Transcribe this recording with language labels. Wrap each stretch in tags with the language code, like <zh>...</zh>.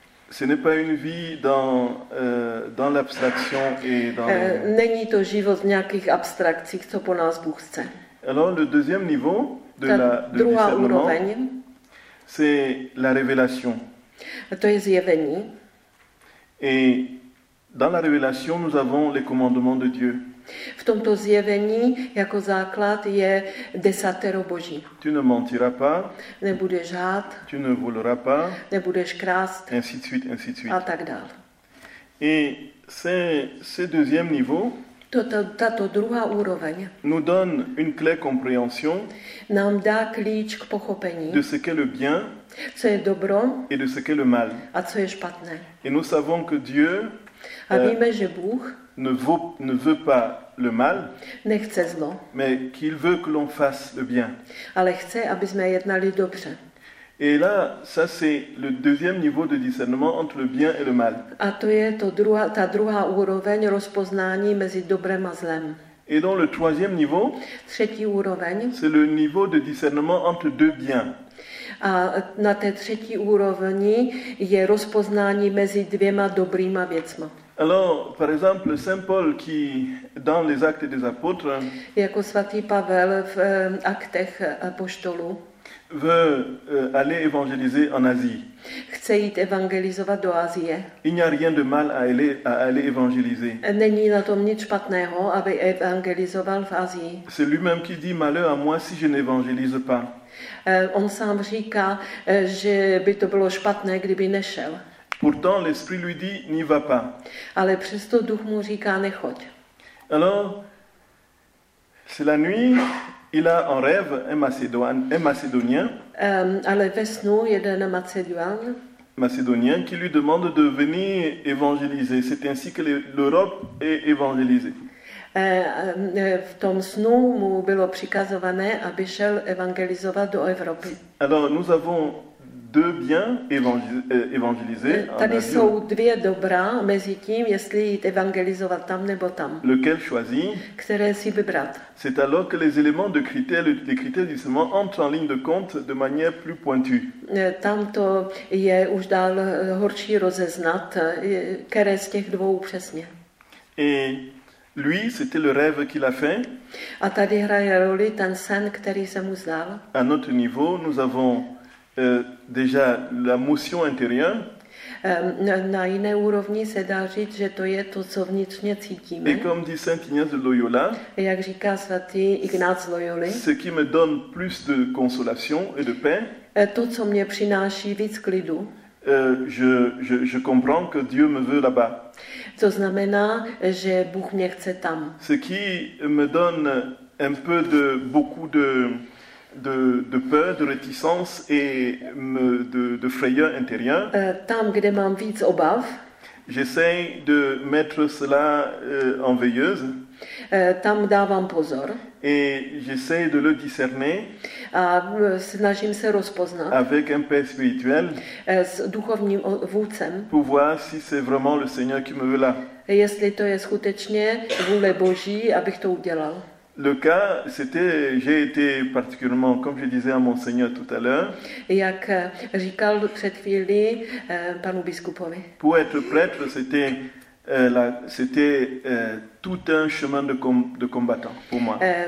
<fr>Ce n'est pas une vie dans l'abstraction et dans les...</fr> <cs>Není to život v nějakých abstrakcích, co po nás Bůh chce.</cs> <fr>Alors, le deuxième niveau de</fr> <cs>ta</cs> <fr>la de</fr> <cs>druhá úroveň,</cs> <fr>c'est la révélation.</fr> <cs>To je zjevení.</cs> <fr>Et dans la révélation, nous avons les commandements de Dieu.</fr> <cs>V tomto zjevení jako základ je desatero Boží.</cs> <fr>Tu ne mentiras pas.</fr> <cs>Nebudeš lhát.</cs> <fr>Tu ne voleras pas.</fr> <cs>Nebudeš krást.</cs> <fr>Ainsi de suite, ainsi de suite.</fr> <cs>A tak dál.</cs> <fr>Et ce deuxième niveau.</fr> <cs>Tato druhá úroveň.</cs> <fr>Nous donne une clé compréhension.</fr> <cs>Nám dá klíč k pochopení.</cs> <fr>De ce qu'est le bien.</fr> <cs>Co je dobro.</cs> <fr>Et de ce qu'est le mal.</fr> <cs>A co je špatné.</cs> <fr>Et nous savons que Dieu.</fr> <cs>A víme, že Bůh</cs> <fr>ne veut pas le mal,</fr> <cs>nechce zlo,</cs> <fr>mais qu'il veut que l'on fasse le bien.</fr> <cs>Ale chce, aby jsme jednali dobře.</cs> <fr>Et là, ça c'est le deuxième niveau de discernement entre le bien et le mal.</fr> <cs>A to je to ta druhá úroveň rozpoznání mezi dobrem a zlem.</cs> <fr>Et dans le troisième niveau,</fr> <cs>třetí úroveň,</cs> <fr>c'est le niveau de discernement entre deux biens.</fr> <cs>A na té třetí úrovni je rozpoznání mezi dvěma dobrýma věcma.</cs> <fr>Alors, par exemple, Saint Paul qui, dans les Actes des Apôtres,</fr> <cs>jako svatý Pavel v Aktech apoštolů,</cs> <fr>veut aller évangéliser en Asie.</fr> <cs>Chce jít evangelizovat do Asie.</cs> <fr>Il n'y a rien de mal à aller évangéliser.</fr> <cs>Není na tom nic špatného, aby evangelizoval v Asii.</cs> <fr>C'est lui-même qui dit malheur à moi si je n'évangélise pas.</fr> <cs>On sám říká, že by to bylo špatné, kdyby nešel.</cs> <fr>Pourtant l'esprit lui dit n'y va pas.</fr> <cs>Ale přesto duch mu říká nechoď.</cs> <fr>Alors c'est la nuit, il a en rêve un macédonien.</fr> <cs>Ale ve snu jeden macedoan.</cs> <fr>Macédonien qui lui demande de venir évangéliser. C'est ainsi que l'Europe est évangélisée.</fr> <cs>V tom snu mu bylo přikazované, aby šel evangelizovat do Evropy.</cs> <fr>Alors nous avons deux bien évangélisés.</fr> <cs>Tady jsou dvě dobrá, mezi tím, jestli jít evangelizovat tam nebo tam.</cs> <fr>Lequel choisir?</fr> <cs>Které si vybrat?</cs> <fr>C'est alors que les éléments de critères, les critères du discernement entrent en ligne de compte de manière plus pointue.</fr> <cs>Tam to je už dál horší rozeznat, které z těch dvou přesně.</cs> <fr>Et lui, c'était le rêve qu'il a fait.</fr> <cs>A tady hraje roli ten sen, který se mu zdál.</cs> <fr>À notre niveau, nous avons déjà la motion intérieure.</fr> <cs>Na jiné úrovni se dá říct, že to je to, co vnitřně cítíme.</cs> <fr>Et comme dit Saint Ignace de Loyola,</fr> <cs>jak říká svatý Ignác Loyoli,</cs> <fr>ce qui me donne plus de consolation et de paix,</fr> <cs>to, co mě přináší víc klidu,</cs> <fr>je comprends que Dieu me veut là-bas.</fr> <cs>To znamená, že Bůh mě chce tam.</cs> <fr>Ce qui me donne un peu de beaucoup de peur, de réticence et de frayeur intérieure.</fr> <cs>Tam, kde mám víc obav,</cs> <fr>j'essaie de mettre cela en veilleuse.</fr> <cs>Tam dávám pozor.</cs> <fr>Et j'essaie de le discerner.</fr> <cs>A snažím se rozpoznat.</cs> <fr>Avec un père spirituel.</fr> <cs>S duchovním vůdcem.</cs> <fr>Pour voir si c'est vraiment le Seigneur qui me veut là.</fr> <cs>Jestli to je skutečně vůle Boží, abych to udělal.</cs> <fr>Le cas, c'était, j'ai été particulièrement, comme je disais à Monseigneur tout à l'heure,</fr> <cs>jak říkal před chvíli panu biskupovi.</cs> <fr>Pour être prêtre, c'était tout un chemin de combattant pour moi.</fr>